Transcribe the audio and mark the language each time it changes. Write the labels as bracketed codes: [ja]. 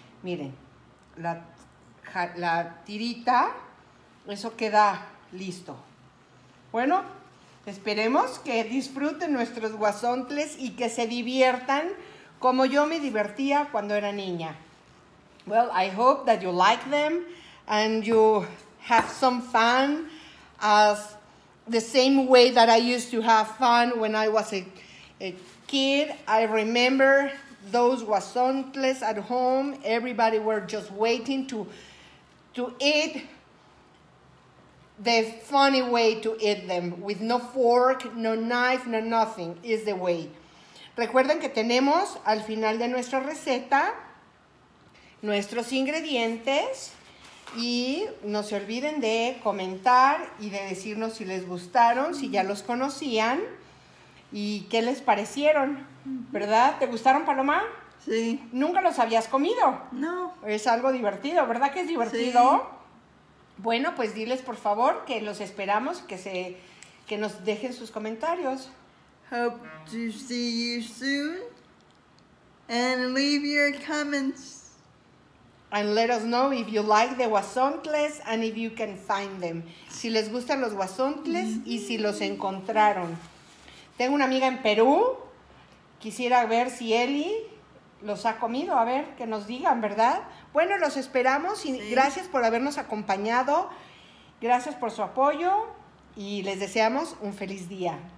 [es] Miren, la tirita, eso queda listo. Bueno, esperemos que disfruten nuestros guasontles y que se diviertan como yo me divertía cuando era niña. [en] Well, I hope that you like them and you have some fun as the same way that I used to have fun when I was a kid. I remember those guasontles at home. Everybody were just waiting to eat the funny way to eat them, with no fork, no knife, no nothing, is the way. [es] Recuerden que tenemos al final de nuestra receta nuestros ingredientes y no se olviden de comentar y de decirnos si les gustaron, si ya los conocían y qué les parecieron, ¿verdad? ¿Te gustaron, Paloma? Sí. ¿Nunca los habías comido? No. Es algo divertido, ¿verdad que es divertido? Sí. Bueno, pues diles por favor que los esperamos, que nos dejen sus comentarios. [en] Hope to see you soon. And leave your comments. And let us know if you like the guasontles and if you can find them. [es] Si les gustan los guasontles mm-hmm. y si los encontraron. Tengo una amiga en Perú. Quisiera ver si Eli los ha comido, a ver, que nos digan, ¿verdad? Bueno, los esperamos y gracias por habernos acompañado, gracias por su apoyo y les deseamos un feliz día.